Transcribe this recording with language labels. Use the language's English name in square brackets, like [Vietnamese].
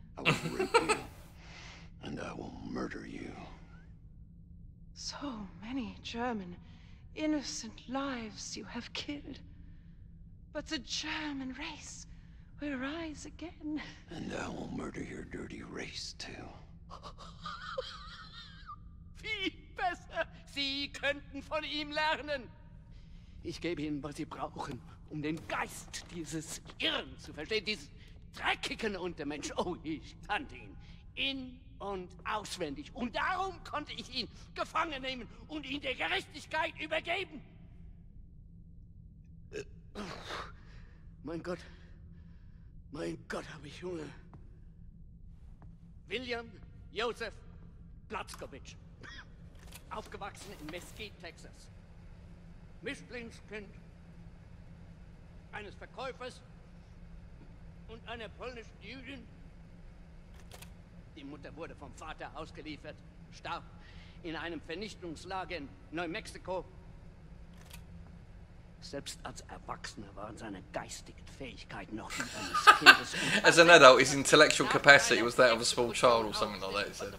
[English] I will rape you, and I will murder you. So many German innocent lives you have killed. But the German race will rise again. And I will murder your dirty race, too. [German] Viel besser! Sie könnten von ihm lernen! Ich gebe ihnen, was sie brauchen, um den Geist dieses Irren zu verstehen, dieses dreckigen Untermensch. Oh, ich kannte ihn in- und auswendig. Und darum konnte ich ihn gefangen nehmen und ihn der Gerechtigkeit übergeben. Mein Gott, habe ich Hunger. William Josef Blatzkowitsch, aufgewachsen in Mesquite, Texas. Mischlingskind eines Verkäufers und einer polnischen Jüdin. Die Mutter wurde vom Vater ausgeliefert, starb in einem Vernichtungslager in Neumexiko. Selbst als Erwachsener waren seine geistigen Fähigkeiten noch nicht eines Kindes. [English] As an adult, his intellectual capacity was that of a small child or something like that, he said.